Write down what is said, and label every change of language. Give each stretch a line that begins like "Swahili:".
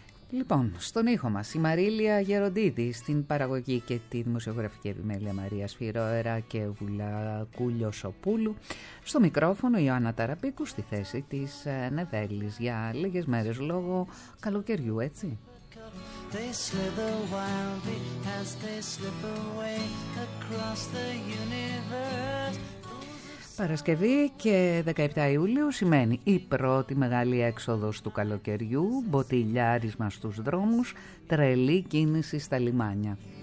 Greek: Λοιπόν, στον ήχο μας η Μαρίλια Γεροντίδη, στην παραγωγή και τη δημοσιογραφική επιμέλεια Μαρία Σφυρόερα και Βουλακούλιο Σοπούλου, στο μικρόφωνο Ιωάννα Ταραπίκου, στη θέση της Νεβέλης, για λίγες μέρες λόγω καλοκαιριού, έτσι.
English: They slither wildly as they slip away across the universe.
Greek: Παρασκευή και 17 Ιουλίου σημαίνει η πρώτη μεγάλη έξοδος του καλοκαιριού, μποτιλιάρισμα στους δρόμους, τρελή κίνηση στα λιμάνια.